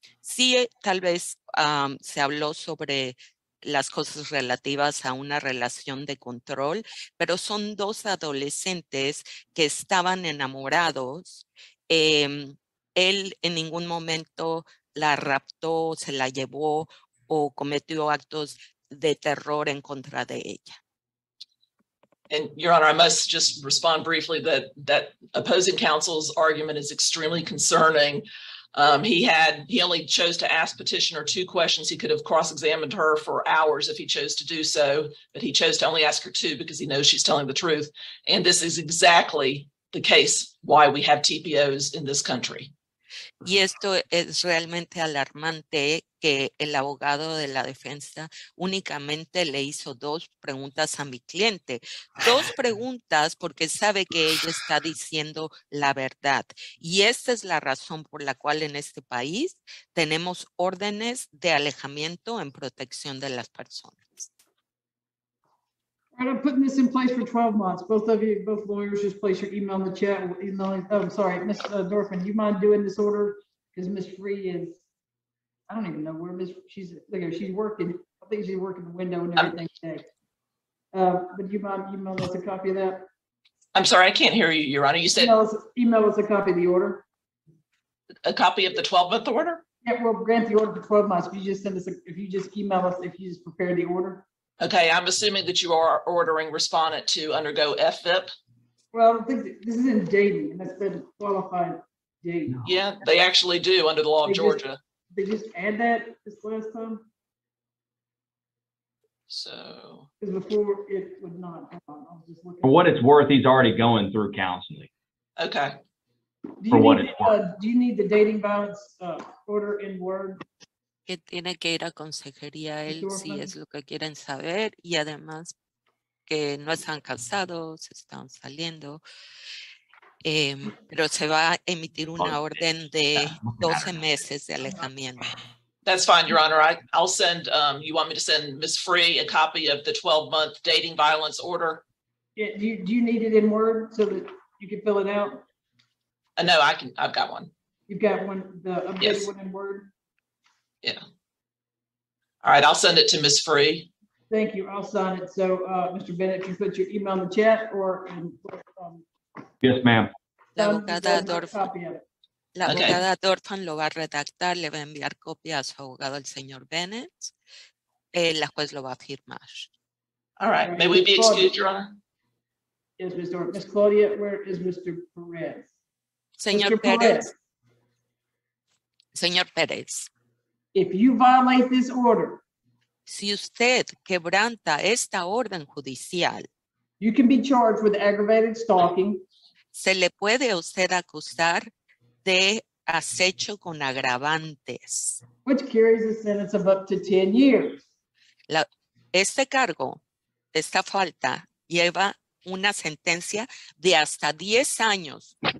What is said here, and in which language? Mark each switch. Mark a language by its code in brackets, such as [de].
[es] Sí, tal vez se habló sobre las cosas relativas a una relación de control, pero son dos adolescentes que estaban enamorados. Él en ningún momento la raptó, se la llevó o cometió actos de terror en contra de ella. [en] And Your Honor, I must just respond briefly that opposing counsel's argument is extremely concerning. He only chose to ask petitioner two questions. He could have cross-examined her for hours if he chose to do so, but he chose to only ask her two because he knows she's telling the truth. And this is exactly the case why we have TPOs in this country. [es] Y esto es realmente alarmante que el abogado de la defensa únicamente le hizo dos preguntas a mi cliente. Dos preguntas porque sabe que ella está diciendo la verdad. Y esta es la razón por la cual en este país tenemos órdenes de alejamiento en protección de las personas. [en] And I'm putting this in place for 12 months. Both of you, both lawyers, just place your email in the chat. Ms. Dorfman, you mind doing this order? Because Ms. Free is, I don't even know where Ms. She's, look here, she's working. I think she's working the window and everything today. But you mind emailing us a copy of that? I'm sorry, I can't hear you, Your Honor. You said email us a copy of the order. A copy of the 12-month order? Yeah, we'll grant the order for 12 months. If you just prepare the order. Okay, I'm assuming that you are ordering respondent to undergo FVIP. Well, I think this is in Dayton, and that's been qualified Dayton. Yeah, they actually do under the law of Georgia. They just add that this last time? So. Because before it would not come on. I'll just look at for what it's worth, he's already going through counseling. Okay. Do you need the dating violence order in Word? [es] Que tiene que ir a consejería él si es lo que quieren saber y además que no están casados, están saliendo, pero se va a emitir una orden de 12 meses de alejamiento. [en] That's fine, Your Honor. I'll send, you want me to send Ms. Free a copy of the 12-month dating violence order? Yeah, do you need it in Word so that you can fill it out? No, I can, I've got one. You've got one, the updated yes. One in Word? Yeah. All right, I'll send it to Ms. Free. Thank you. I'll sign it. So, Mr. Bennett, if you put your email in the chat or in. Yes, ma'am. [es] La abogada Dorfman. La abogada Dorfman lo va a redactar, le va a enviar copia a su abogado, el señor Bennett. La juez lo va a firmar. [en] All right. May we be excused, Your Honor? Yes, Ms. Dorfman. Ms. Claudia, where is Mr. Perez? [es] Señor Perez. Señor Perez. [en] If you violate this order, [es] si usted quebranta esta orden judicial, [en] you can be charged with aggravated stalking. [es] Se le puede usted acusar de acecho con agravantes, [en] which carries a sentence of up to 10 years. [es] Este cargo, esta falta, lleva una sentencia de hasta 10 años.